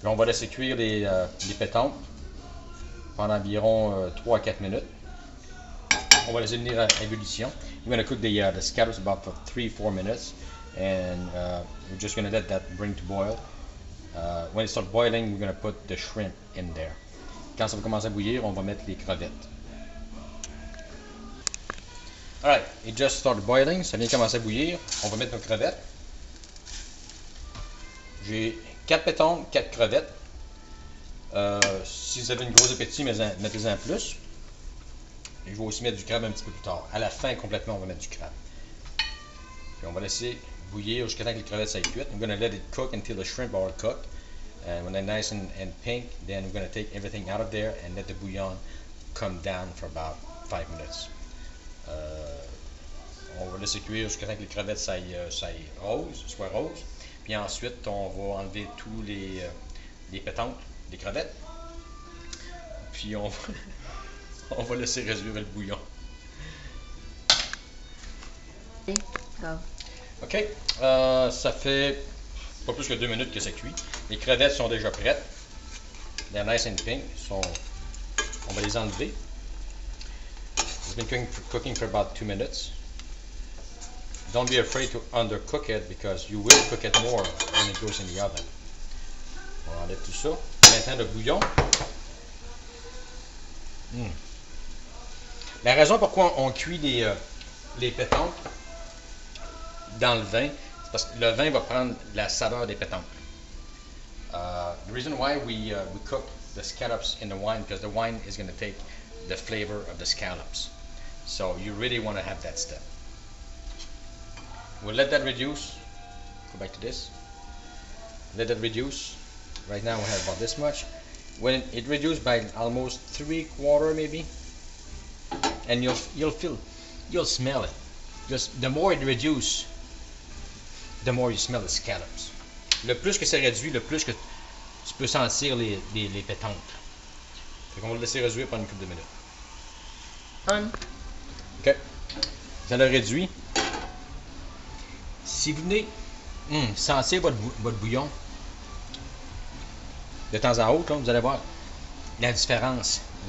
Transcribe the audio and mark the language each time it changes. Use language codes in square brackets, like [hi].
[fr] Puis on va laisser cuire les pétoncles pendant environ 3 à 4 minutes. On va les amener à ébullition. [en] We're going to cook the scallops about for 3-4 minutes. And we're just going to let that bring to boil. When it starts boiling, we're going to put the shrimp in there. [fr] Quand ça va commencer à bouillir, on va mettre les crevettes. [en] Alright, it just started boiling. [fr] Ça vient commencer à bouillir. On va mettre nos crevettes. J'ai 4 pétons, 4 crevettes. Si vous avez un gros appétit, mettez-en plus. Et je vais aussi mettre du crabe un petit peu plus tard. À la fin, complètement, on va mettre du crabe. Puis on va laisser bouillir jusqu'à temps que les crevettes soient cuites. [en] I'm going to let it cook until the shrimp are cooked. And when they're nice and pink, then we're going to take everything out of there and let the bouillon come down for about 5 minutes. [fr] On va laisser cuire jusqu'à temps que les crevettes soient roses. Puis ensuite, on va enlever tous les pétoncles des crevettes. Puis on va laisser réduire le bouillon. OK. Ça fait pas plus que 2 minutes que ça cuit. Les crevettes sont déjà prêtes. [en] They're nice and pink. [fr] On va les enlever. [en] It's been cooking for about 2 minutes. Don't be afraid to undercook it because you will cook it more when it goes in the oven. [fr] On va enlever tout ça. Maintenant le bouillon. La raison pourquoi on cuit les pétoncles dans le vin, c'est parce que le vin va prendre la saveur des pétoncles. [en] The reason why we cook the scallops in the wine because the wine is going to take the flavor of the scallops. So you really want to have that step. We'll let that reduce. Go back to this. Let that reduce. Right now we have about this much. When it reduces by almost 3/4 maybe, and you'll smell it. Just the more it reduces, the more you smell the scallops. [fr] Le plus que c'est réduit, le plus que tu peux sentir les pétoncles. Fait qu'on va le laisser réduire pendant une couple de minutes. OK. Ça l'a réduit. Si vous venez sentir votre bouillon de temps en autre, vous allez voir la différence.